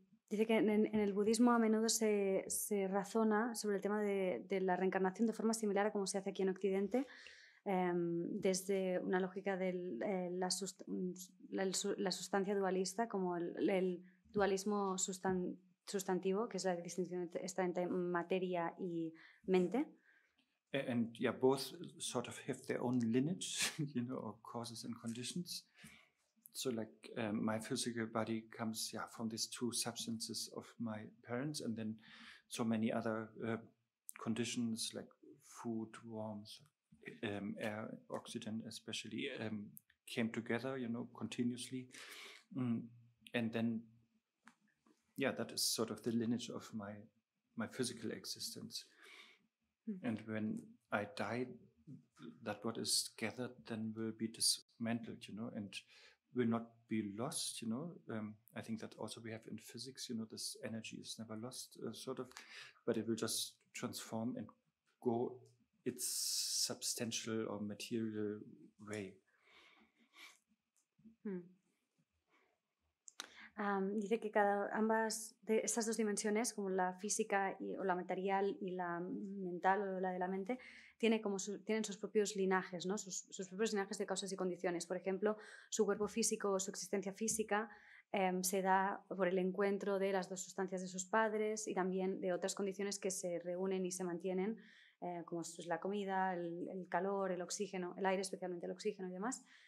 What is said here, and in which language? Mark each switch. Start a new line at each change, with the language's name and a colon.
Spanish: Dice que en el budismo a menudo se razona sobre el tema de la reencarnación de forma similar a como se hace aquí en Occidente. Desde una lógica de la sustancia dualista, como el dualismo sustantivo, que es la distinción entre materia y mente.
English: And yeah, both sort of have their own lineage, you know, or causes and conditions. So my physical body comes from these two substances of my parents, and then so many other conditions like food, warmth, air, oxygen especially, came together, you know, continuously. And then, that is sort of the lineage of my physical existence. Mm-hmm. And when I die, that what is gathered then will be dismantled, you know, and will not be lost, you know. I think that also we have in physics, you know, this energy is never lost, sort of, but it will just transform and go its substantial or material way.
Spanish: Dice que ambas de esas dos dimensiones, como la física o la material y la mental o la de la mente, tienen sus propios linajes, ¿no? Sus propios linajes de causas y condiciones. Por ejemplo, su cuerpo físico o su existencia física se da por el encuentro de las dos sustancias de sus padres y también de otras condiciones que se reúnen y se mantienen, como es la comida, el calor, el oxígeno, el aire, especialmente el oxígeno y demás.